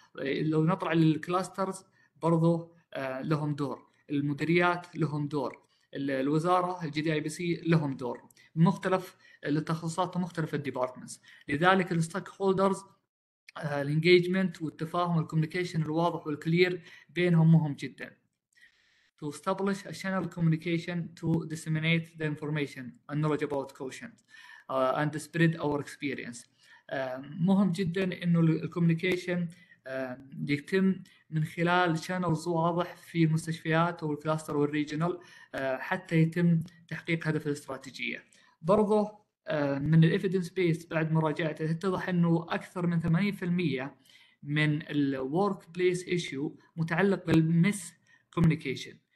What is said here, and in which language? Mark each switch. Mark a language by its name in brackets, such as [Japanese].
[Arabic] لو نطلع للكلاسترز برضو لهم دور، المديريات لهم دور، الوزاره الجي دي اي بي سي لهم دور، مختلف التخصصات ومختلف الديبارتمنتس. لذلك الستيك هولدرز الانجيجمنت والتفاهم والكوميونيكيشن الواضح والكلير بينهم مهم جدا. [English] To establish a channel communication to disseminate the information and knowledge about caution and spread our experience. [Arabic] مهم جدا إنه الكوميونيكيشن يتم من خلال channels واضح في المستشفيات والكلاستر والريجنال حتى يتم تحقيق هدف الاستراتيجية. برضو من الإيفيدنس بيس بعد مراجعته اتضح إنه أكثر من 80% من الورك بليس إيشيو متعلق بالمس كوميونيكيشن.